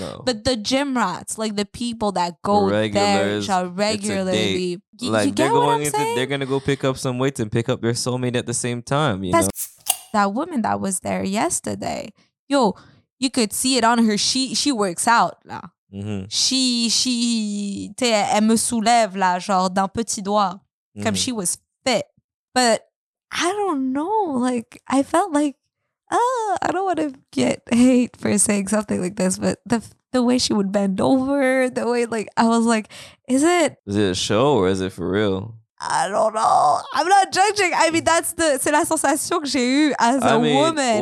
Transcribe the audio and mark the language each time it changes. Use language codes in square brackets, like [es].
[en] No. But the gym rats, like the people that go regularly. Like they're going into, they're gonna go pick up some weights and pick up their soulmate at the same time, you know? That woman that was there yesterday, yo, you could see it on her. She works out là. Mm-hmm. [fr] She elle me soulève là, genre d'un petit doigt. [en] Mm-hmm. Comme she was fit. But I don't know. Like I felt like I don't wanna get hate for saying something like this, but the way she would bend over, the way, like, I was like, is it a show or is it for real? I don't know. I'm not judging. I mean, [fr] c'est la sensation que j'ai eue [en] as a woman.